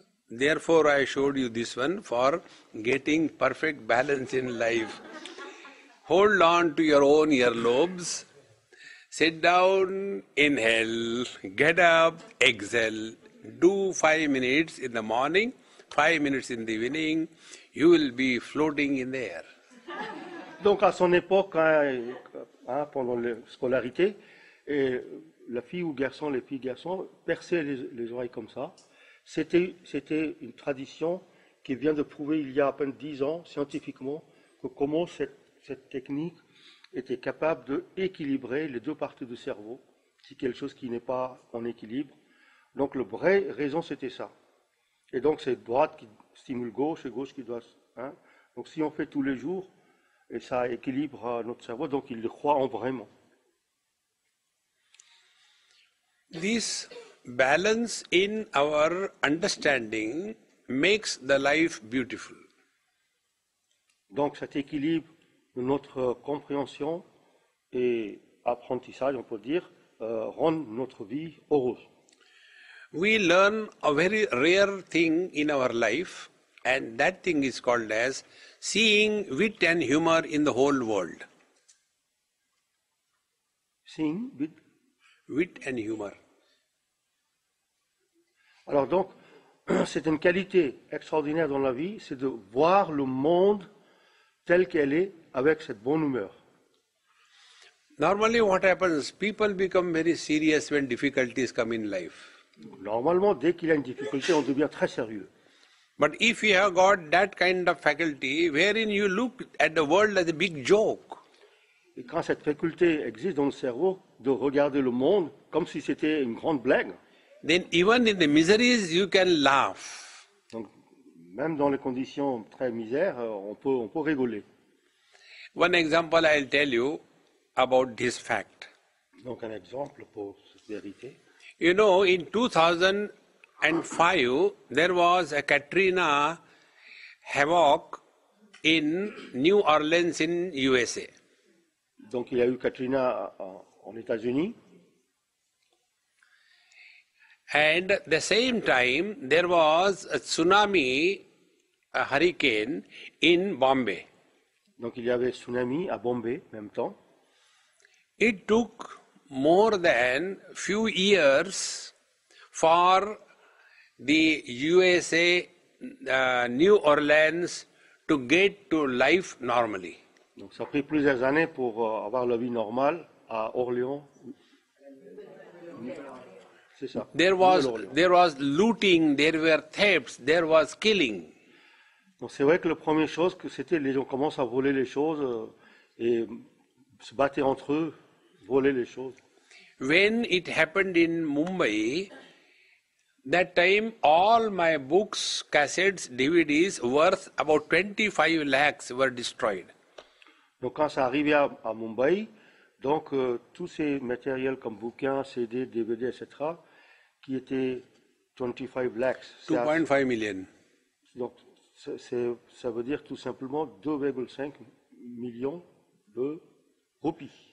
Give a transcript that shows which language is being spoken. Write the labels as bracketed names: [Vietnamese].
[English] Therefore, I showed you this one for getting perfect balance in life. Hold on to your own earlobes. Sit down, inhale, get up, exhale. Do 5 minutes in the morning, 5 minutes in the evening, you will be floating in the air. [French] Donc à son époque, hein, pendant la scolarité, et la fille ou garçon, les filles garçons, perçaient les oreilles comme ça. C'était une tradition qui vient de prouver il y a à peine 10 ans, scientifiquement, que comment cette technique était capable d'équilibrer les deux parties du cerveau, si quelque chose qui n'est pas en équilibre. Donc la vraie raison, c'était ça. Et donc c'est droite qui stimule gauche et gauche qui doit... Hein. Donc si on fait tous les jours, et ça équilibre notre cerveau, donc il le croit en vraiment. [English] This balance in our understanding makes the life beautiful. [French] Donc cet équilibre de notre compréhension et apprentissage, on peut dire, rend notre vie heureuse. [English] We learn a very rare thing in our life, and that thing is called as seeing wit and humor in the whole world. Seeing wit? Wit and humor. [French] Alors donc, c'est une qualité extraordinaire dans la vie, c'est de voir le monde tel qu'elle est avec cette bonne humeur. [English] Normally what happens, people become very serious when difficulties come in life. [French] Normalement, dès qu'il y a une difficulté, on devient très sérieux. [English] But if you have got that kind of faculty, wherein you look at the world as a big joke. [French] Et quand cette faculté existe dans le cerveau, de regarder le monde comme si c'était une grande blague. [English] Then even in the miseries, you can laugh. [French] Donc, même dans les conditions très misères, on peut rigoler. [English] One example I'll tell you about this fact. [French] Donc un exemple pour cette vérité. [English] You know, in 2005, there was a Katrina havoc in New Orleans in USA. [French] Donc il y a eu Katrina en États-Unis. [English] And at the same time, there was a tsunami, a hurricane in Bombay. [French] Donc il y avait tsunami à Bombay en même temps. [English] It took more than few years for the USA, New Orleans, to get to life normally. [French] Donc ça a pris plusieurs années pour avoir la vie normale à Orléans. C'est ça. [English] There was looting, there were thefts, there was killing. [French] Donc c'est vrai que la première chose que c'était, les gens commencent à voler les choses et se battaient entre eux, voler les choses. [English] When it happened in Mumbai, that time all my books, cassettes, DVDs worth about 25 lakhs were destroyed. [French] Donc quand ça arrivait à Mumbai, donc tous ces matériels comme bouquins, CD, DVD, etc., qui étaient 25 lakhs. [English] 2.5 million. [French] Donc ça veut dire tout simplement 2,5 millions de roupies.